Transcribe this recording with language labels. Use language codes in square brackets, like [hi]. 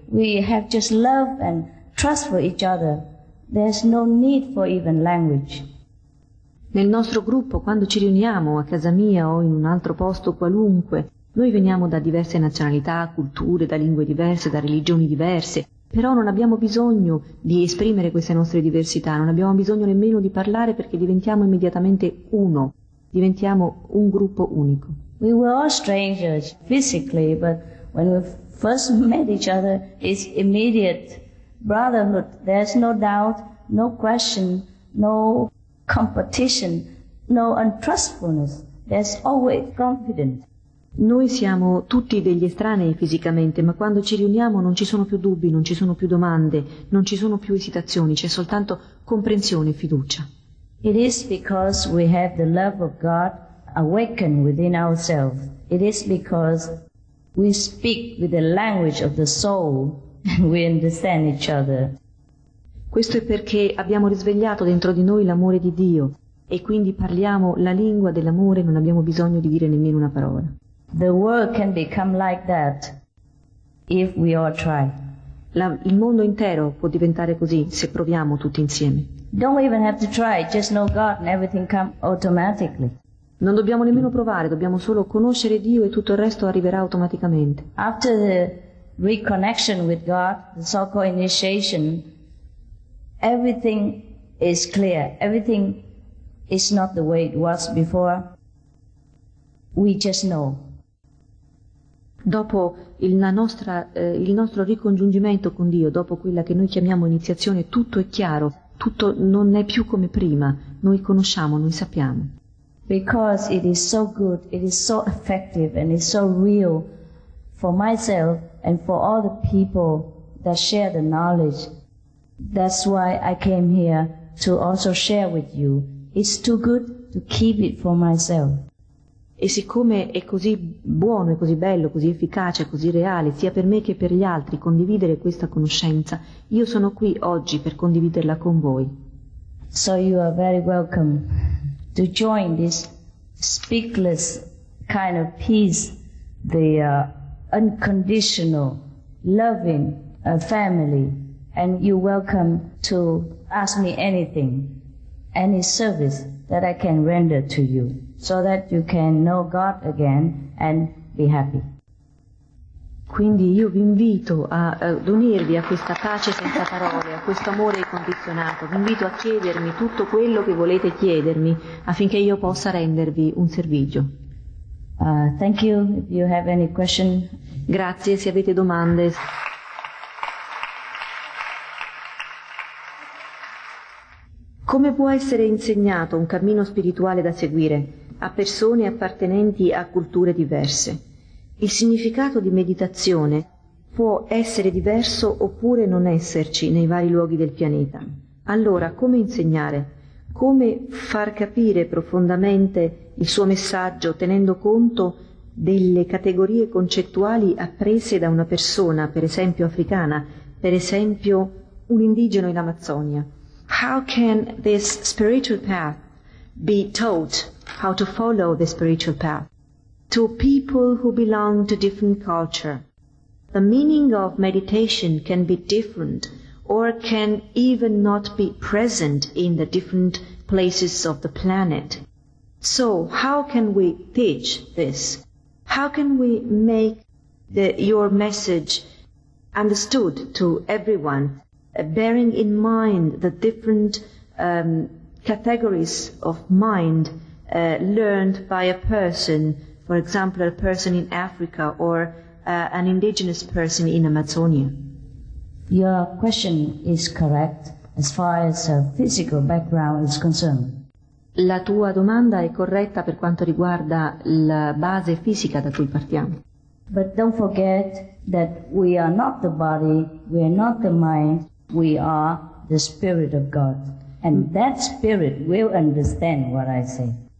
[en] We have just love and trust for each other. There's no need for even language. [it] Nel nostro gruppo, quando ci riuniamo a casa mia o in un altro posto qualunque, noi veniamo da diverse nazionalità, culture, da lingue diverse, da religioni diverse, però non abbiamo bisogno di esprimere queste nostre diversità, non abbiamo bisogno nemmeno di parlare perché diventiamo immediatamente uno, diventiamo un gruppo unico. [en] We were all strangers physically, but when we first met each other, it's immediate brotherhood. There's no doubt, no question, no competition, no untrustfulness. There's always confidence. [it] Noi siamo tutti degli estranei fisicamente, ma quando ci riuniamo non ci sono più dubbi, non ci sono più domande, non ci sono più esitazioni, c'è soltanto comprensione e fiducia. [en] It is because we have the love of God awakened within ourselves. It is because we speak with the language of the soul and we understand each other. [it] Questo è perché abbiamo risvegliato dentro di noi l'amore di Dio e quindi parliamo la lingua dell'amore, non abbiamo bisogno di dire nemmeno una parola. [en] The world can become like that if we all try. [it] Il mondo intero può diventare così se proviamo tutti insieme. [en] Don't even have to try, just know God and everything comes automatically. [it] Non dobbiamo nemmeno provare, dobbiamo solo conoscere Dio e tutto il resto arriverà automaticamente. [en] After the reconnection with God, the so-called initiation, everything is clear. Everything is not the way it was before. We just know. [it] Dopo il nostro ricongiungimento con Dio, dopo quella che noi chiamiamo iniziazione, tutto è chiaro, tutto non è più come prima, noi conosciamo, noi sappiamo. [en] Because it is so good, it is so effective and it's so real for myself and for all the people that share the knowledge. That's why I came here to also share with you. It's too good to keep it for myself. [it] E siccome è così buono, è così bello, così efficace, così reale, sia per me che per gli altri, condividere questa conoscenza, io sono qui oggi per condividerla con voi. [en] So you are very welcome to join this speechless kind of peace, the unconditional, loving family, and you welcome to ask me anything, any service that I can render to you. So that you can know God again and be happy. [it] Quindi io vi invito ad unirvi a questa pace senza parole, a questo amore incondizionato. Vi invito a chiedermi tutto quello che volete chiedermi affinché io possa rendervi un servizio. [en] Thank you. If you have any question. [it] Grazie se avete domande. Come può essere insegnato un cammino spirituale da seguire a persone appartenenti a culture diverse? Il significato di meditazione può essere diverso oppure non esserci nei vari luoghi del pianeta. Allora, come insegnare? Come far capire profondamente il suo messaggio tenendo conto delle categorie concettuali apprese da una persona, per esempio africana, per esempio un indigeno in Amazzonia? [en] How can this spiritual path be taught? How to follow the spiritual path to people who belong to different culture? The meaning of meditation can be different or can even not be present in the different places of the planet. So how can we teach this? How can we make your message understood to everyone, bearing in mind the different categories of mind learned by a person, for example, a person in Africa or an indigenous person in Amazonia? Your question is correct as far as a physical background is concerned. [it] La tua domanda è corretta per quanto riguarda la base fisica da cui partiamo. [en] But don't forget that we are not the body, we are not the mind, we are the spirit of God. And that spirit will understand what I say.